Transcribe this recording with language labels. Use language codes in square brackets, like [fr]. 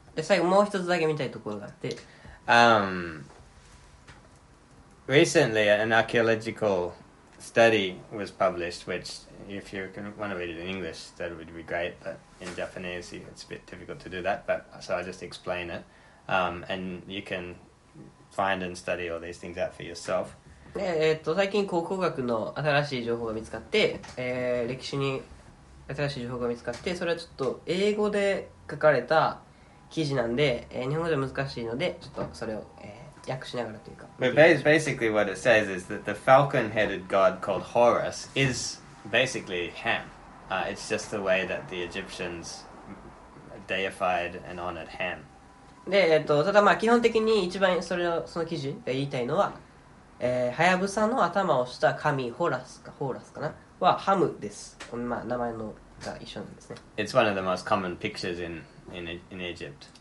[ja] 最後もう一つだけ見たいところがあって、 [en] Recently an archaeological study was published, which if you want to read it in English, that would be great, but in Japanese it's a bit difficult to do that, but so I'll just explain it, and you can find and study all these things out for yourself. [ja] 最近考古学の新しい情報が見つかって、歴史に新しい情報が見つかって、それはちょっと英語で書かれた記事なんで、日本語では難しいので、ちょっとそれを、訳しながらというか。 [en] But basically what it says is that the falcon-headed god called Horus is basically Ham. It's just the way that the Egyptians deified and honored Ham. [ja] で、ただまあ基本的に一番それをその記事が言いたいのは、ハヤブサの頭をした神ホーラスかなはハムです。まあ名前のが一緒なんですね。 [en] It's one of the most common pictures in Egypt.